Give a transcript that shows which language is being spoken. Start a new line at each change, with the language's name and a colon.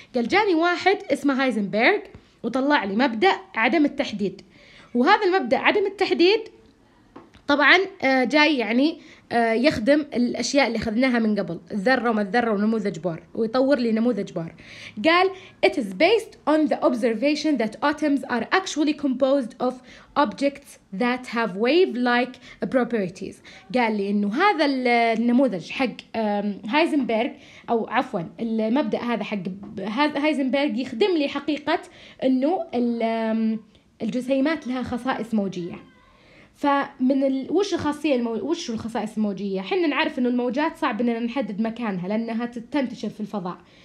Arabic: قال جاني واحد اسمه هايزنبرغ وطلع لي مبدأ عدم التحديد. وهذا المبدأ عدم التحديد طبعاً جاي يعني يخدم الأشياء اللي أخذناها من قبل الذرة وما الذرة ونموذج بور ويطور لي نموذج بور. قال
English: It is based on the observation that atoms are actually composed of objects that have wave-like properties.
Arabic: قال لي إنه هذا النموذج حق هايزنبرغ أو عفواً المبدأ هذا حق هايزنبرغ يخدم لي حقيقة إنه الجسيمات لها خصائص موجية. فمن وش الخاصية وش الخصائص الموجية؟ حنا نعرف إنه الموجات صعب إننا نحدد مكانها لأنها تنتشر في الفضاء.